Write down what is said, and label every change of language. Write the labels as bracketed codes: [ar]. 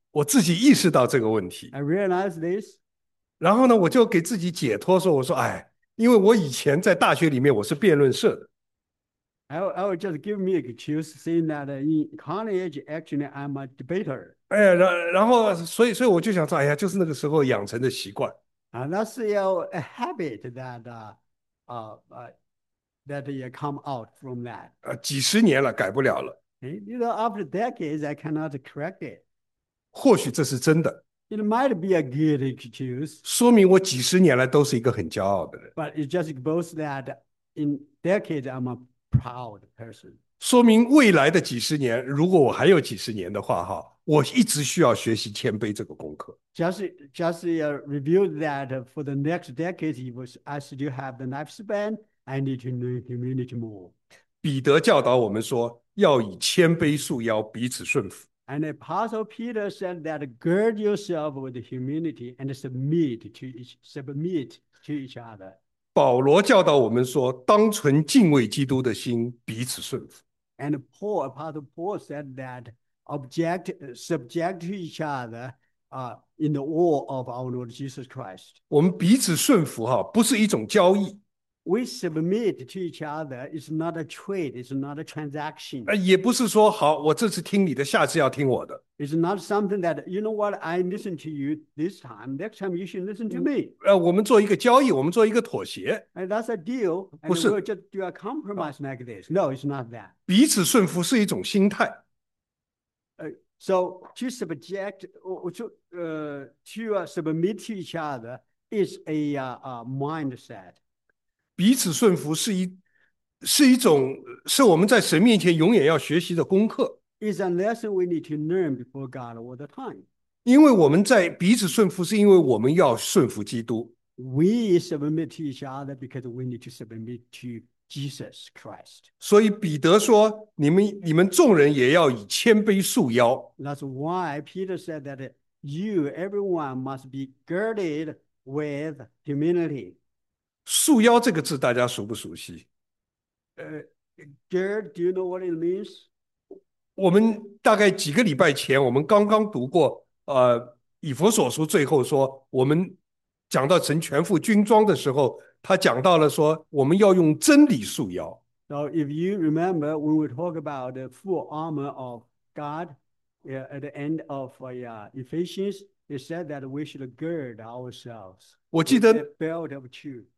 [zh] 我自己意识到这个问题。 [en] I realize this. [zh] 然后呢，我就给自己解脱，说我说哎，因为我以前在大学里面我是辩论社的。 [en] I will just give me an excuse saying that in college, actually, I'm a debater. [zh] 然后所以我就想说，哎呀，就是那个时候养成的习惯。 [en] And that's a habit that you come out from that. [zh] 几十年了，改不了了。 [en] You know, after decades, I cannot correct it. [zh] 或许这是真的。 [en] It might be a good excuse. [zh] 说明我几十年来都是一个很骄傲的人。 [en] But it just boasts that in decades, I'm a proud person. [zh] 说明未来的几十年，如果我还有几十年的话，我一直需要学习谦卑这个功课。 [en] Just review that for the next decade, if I still have the lifespan, I need to learn humility more. [zh] 彼得教导我们说，要以谦卑束腰，彼此顺服。 [en] And Apostle Peter said that gird yourself with humility and submit to each other. [zh] 保罗教导我们说，当存敬畏基督的心，彼此顺服。 [en] And Paul, Apostle Paul said that subject to each other in the awe of our Lord Jesus Christ. [zh] 我们彼此顺服，不是一种交易。 [en] We submit to each other. It's not a trade. It's not a transaction. [zh] 也不是说好，我这次听你的，下次要听我的。 [en] It's not something that you know what I listen to you this time. Next time you should listen to me. [zh] 我们做一个交易，我们做一个妥协。 [en] And that's a deal. [zh] 不是 [en] ，and we just do a compromise like this. No, it's not that. [zh] 彼此顺服是一种心态。 [en] So to subject or to submit to each other is a mindset. [zh] 彼此顺服是一种是我们在神面前永远要学习的功课。 [en] is a lesson we need to learn before God all the time. [zh] 因为我们在彼此顺服，是因为我们要顺服基督。 [en] We submit to each other because we need to submit to Jesus Christ. [zh] 所以彼得说，你们众人也要以谦卑束腰。 [en] That's why Peter said that you, everyone, must be girded with humility. [zh] 束腰这个字大家熟不熟悉？ [en] Gird, do you know what it means? [zh] 我们大概几个礼拜前，我们刚刚读过，以弗所书最后说，我们讲到神全副军装的时候，他讲到了说，我们要用真理束腰。 [en] So if you remember, when we talk about the full armor of God, at the end of Ephesians, it said that we should gird ourselves with the belt of truth.